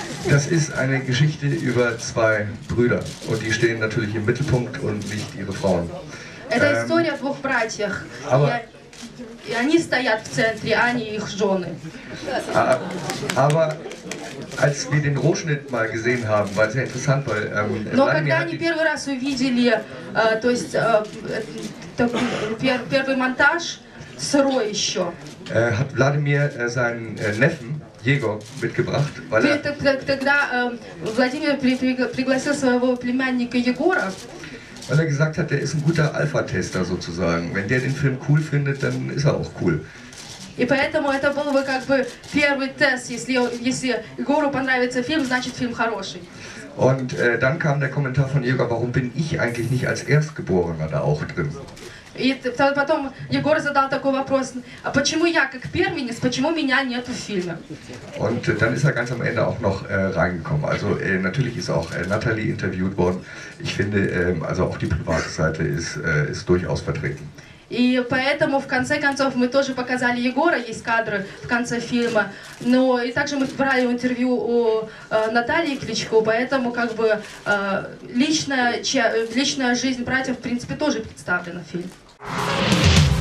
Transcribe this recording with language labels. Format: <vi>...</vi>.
<de>Das ist eine Geschichte über zwei Brüder. Und die stehen natürlich im Mittelpunkt und nicht ihre Frauen.</de> <ru>Это история о двух братьях. И они стоят в центре, а не их жены.</ru> <de>Aber als wir den Rohschnitt mal gesehen haben, war es sehr interessant, weil...</de> <ru>Но когда они первый раз увидели, то есть, первый монтаж, сырой еще...</ru> <de>Hat Vladimir seinen Neffen, Егор, mitgebracht, weil er...</de> <ru>Тогда Владимир пригласил своего племянника Егора...</ru> <de>Weil er gesagt hat, er ist ein guter Alpha-Tester sozusagen. Wenn der den Film cool findet, dann ist er auch cool.</de> <ru>И поэтому это был бы как бы первый тест, если Егору понравится фильм, значит фильм хороший.</ru> <de>Und dann kam der Kommentar von Егор, warum bin ich eigentlich nicht als Erstgeborener da auch drin?</de> <ru>И потом Егор задал такой вопрос, а почему я как первенец, почему меня нет в фильме?</ru> <de>Und dann ist er ganz am Ende auch noch reingekommen. Also natürlich ist auch Natalie interviewt worden. Ich finde, also auch die private Seite ist durchaus vertreten.</de> <ru>И поэтому в конце концов мы тоже показали Егора, есть кадры в конце фильма. Но и также мы брали интервью у Натальи Кличко, поэтому как бы личная жизнь братьев в принципе тоже представлена в фильме.</ru>